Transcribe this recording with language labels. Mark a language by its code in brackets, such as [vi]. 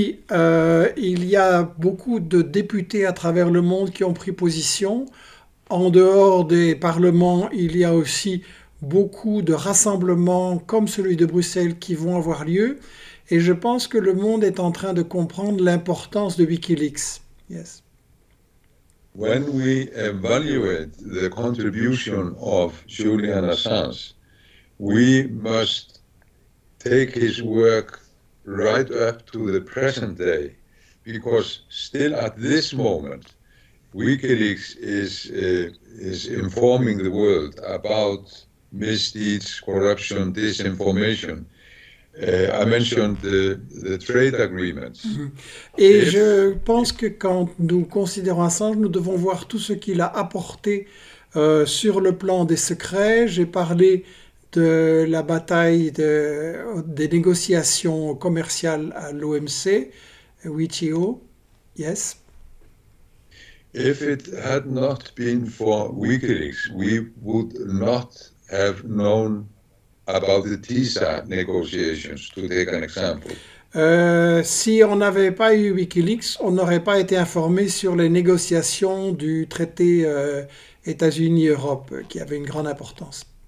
[fr] Il y a beaucoup de députés à travers le monde qui ont pris position. En dehors des parlements, il y a aussi beaucoup de rassemblements comme celui de Bruxelles qui vont avoir lieu. Et je pense que le monde est en train de comprendre l'importance de WikiLeaks. [en] Yes. When we evaluate the contribution of Julian Assange, we must take his work right up to the present day, because still at this moment, WikiLeaks is informing the world about misdeeds, corruption, disinformation. I mentioned the trade agreements. [fr] Et je pense que quand nous considérons Assange, nous devons voir tout ce qu'il a apporté sur le plan des secrets. J'ai parlé de la bataille des négociations commerciales à l'OMC, WTO. [en] Yes. If it had not been for WikiLeaks, we would not have known about the TISA negotiations, to take an example. [fr] Si on n'avait pas eu WikiLeaks, on n'aurait pas été informé sur les négociations du traité États-Unis-Europe, qui avait une grande importance.